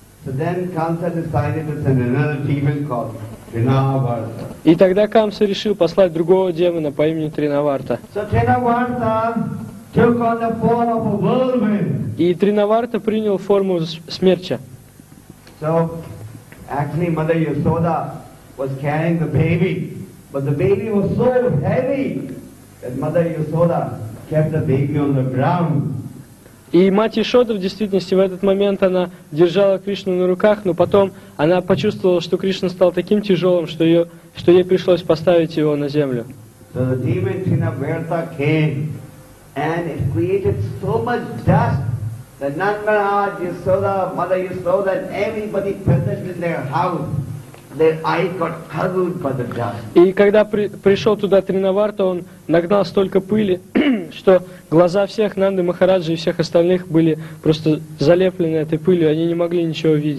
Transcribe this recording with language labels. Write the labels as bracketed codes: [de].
[en] So then Kamsa decided to send another demon called Trinavarta. [ru] И тогда Камса решил послать другого демона по имени Тринаварта. [en] So Trinavarta took on the form of a whirlwind. [ru] И Тринаварта принял форму смерча. [en] So actually Mother Yasoda was carrying the baby, but the baby was so heavy that Mother Yasoda kept the baby on the ground. [ru] И мать Ишода в действительности в этот момент она держала Кришну на руках, но потом она почувствовала, что Кришна стал таким тяжелым, что ей пришлось поставить его на землю. [en] So the demon Trinavarta came and it created so much dust that Nanda Maharaj, Yasoda, Mother Yasoda, and everybody present in their house, their eyes got covered by the dust. [ru] И когда пришел туда Тринаварта, он нагнал столько пыли, что глаза всех Нанды Махараджи и всех остальных были просто залеплены этой пылью, они не могли ничего